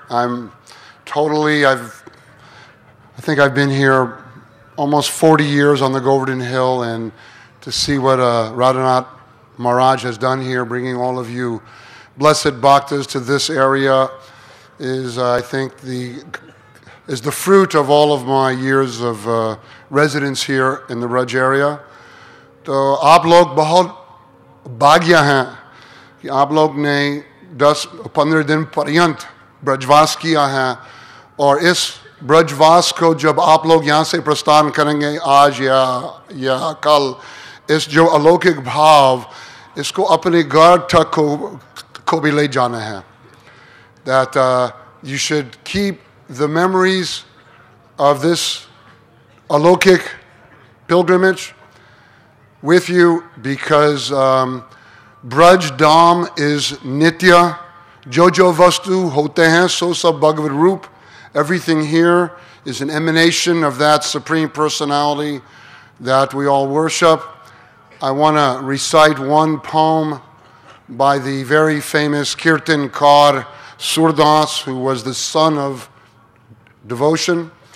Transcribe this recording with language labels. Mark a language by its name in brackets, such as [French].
[English] I think I've been here almost 40 years on the Govardhan Hill, and to see what Radhanath Maharaj has done here, bringing all of you blessed bhaktas to this area, is the fruit of all of my years of residence here in the Raj area. [Hindi] So, aap log bahut bhagya hain. आप लोग ने 10-15 दिन पर्यंत ब्रजवास किया है और इस ब्रजवास को जब आप लोग यहाँ से प्रस्थान करेंगे आज या कल इस जो अलौकिक भाव इसको अपने घर तक को भी ले जाना है [English] That you should keep the memories of this अलौकिक pilgrimage with you because Braj Dham is Nitya. [Hindi] Jojo Vastu Hote Hain So Sab Bhagavad Roop. [English] Everything here is an emanation of that Supreme Personality that we all worship. I want to recite one poem by the very famous Kirtankar Surdas, who was the son of devotion.